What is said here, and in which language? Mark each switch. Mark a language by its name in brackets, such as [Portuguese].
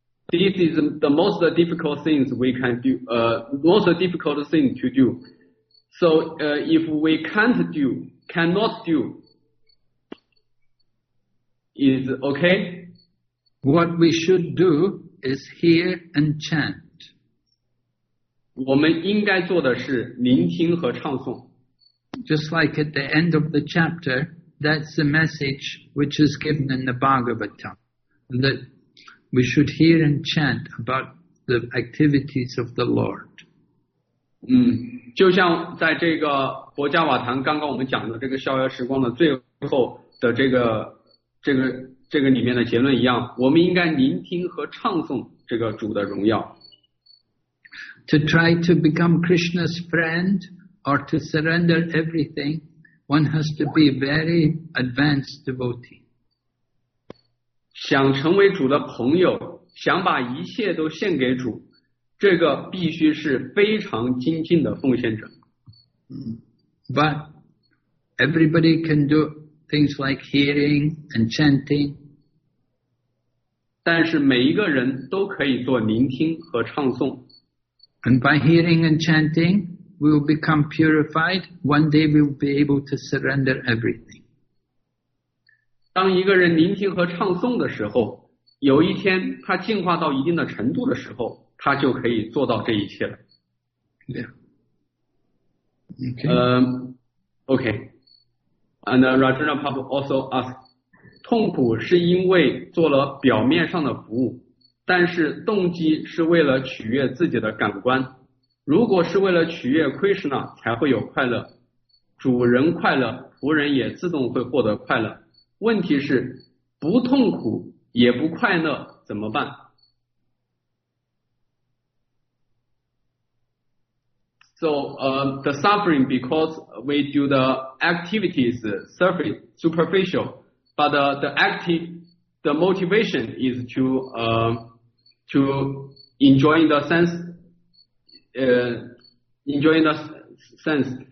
[English] This is the most difficult things we can do, most difficult thing to do. So, if we can't do, cannot do, is okay? What we should do is hear and chant. [Chinese] 我们应该做的是聆听和唱诵。 [English] Just like at the end of the chapter, that's the message which is given in the Bhagavatam, that we should hear and chant about the activities of the Lord. [Chinese] 就像在这个佛加瓦坛刚刚我们讲的这个逍遥时光的最后的这个里面的结论一样，我们应该聆听和唱诵这个主的荣耀。 [English] To try to become Krishna's friend,or to surrender everything, one has to be very advanced devotee. [Chinese] 想成为主的朋友，想把一切都献给主，这个必须是非常精进的奉献者。 [English] But everybody can do things like hearing and chanting. [Chinese] 但是每一个人都可以做聆听和唱诵。 [English] And by hearing and chanting,We will become purified. One day we will be able to surrender everything. [Chinese] 当一个人聆听和唱诵的时候，有一天他进化到一定的程度的时候，他就可以做到这一切了。 [English] Okay. And Rajendra Prabhu also asked, [Chinese] 痛苦是因为做了表面上的服务，但是动机是为了取悦自己的感官。如果是为了取悦 Krishna 才会有快乐，主人快乐，仆人也自动会获得快乐。问题是不痛苦也不快乐怎么办？ [English] So, the suffering because we do the activities surface, superficial, but the active, the motivation is to enjoy the sense,enjoying the sense.